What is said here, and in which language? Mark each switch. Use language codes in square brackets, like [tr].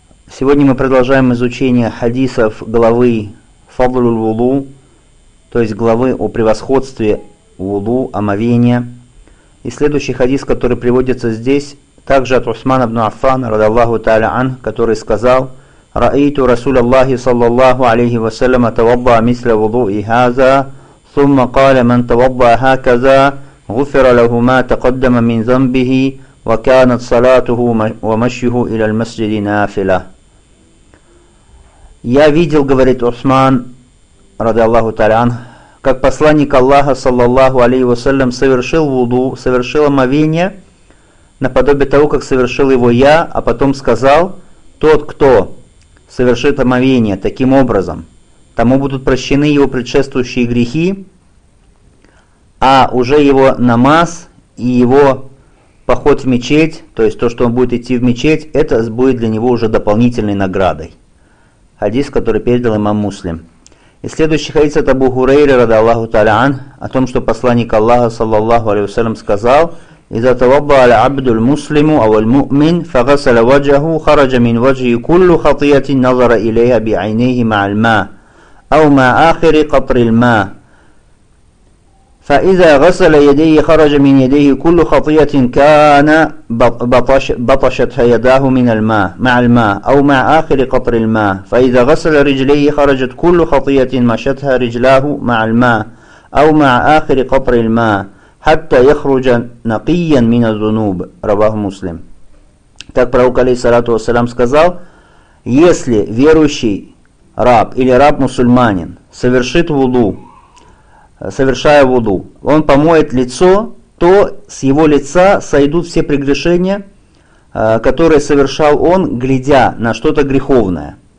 [ru] Сегодня мы продолжаем изучение хадисов главы Фадлул Вуду, то есть главы о превосходстве Вуду, омовения. И следующий хадис, который приводится здесь, также от Усмана ибн Аффана, радиаллаху та'аля анх, который сказал: [ar] «Раиту Расуля Аллахи, саллаллаху алейхи ва саллям, тавадда мисля вуду и хаза». ثم قال من توضى هكذا غفر له ما تقدم من ذنبه وكانت صلاته ومشيه إلى المسجد نافلة. [ru] Я видел, говорит Усман, [ar] رضي الله تعالى عنه, [ru] как посланник Аллаха, саллаллаху алейхи ва саллям, совершил вуду, совершил омовение, наподобие того, как совершил его я, а потом сказал: тот, кто совершит омовение таким образом, тому будут прощены его предшествующие грехи, а уже его намаз и его поход в мечеть, то есть то, что он будет идти в мечеть, это будет для него уже дополнительной наградой. Хадис, который передал имам Муслим. И следующий хадис от Абу Хурейры, рада Аллаху Таля'ан, о том, что посланник Аллаха, саллаллаху алейхи вассалям, сказал: [ar] «Иза таваба аля абдул муслиму аваль му'мин, фагасаля ваджаху, хараджа мин ваджи куллю хатиятин назара илейха би айнейхи мааль ма». أومى آخر قطر الماء فإذا غسل يديه خرج من يديه كل خطية كان بطشت يداه من الماء مع الماء أو مع آخر قطر الماء فإذا غسل رجليه خرجت كل خطية مشتها رجلاه مع الماء أو مع آخر قطر الماء حتى يخرج نقيا من الذنوب رواه مسلم. [ru] Так пророк алейхиссалату вассалям сказал: если верующий раб или раб-мусульманин совершит вуду, совершая вуду, он помоет лицо, то с его лица сойдут все прегрешения, которые совершал он, глядя на что-то греховное.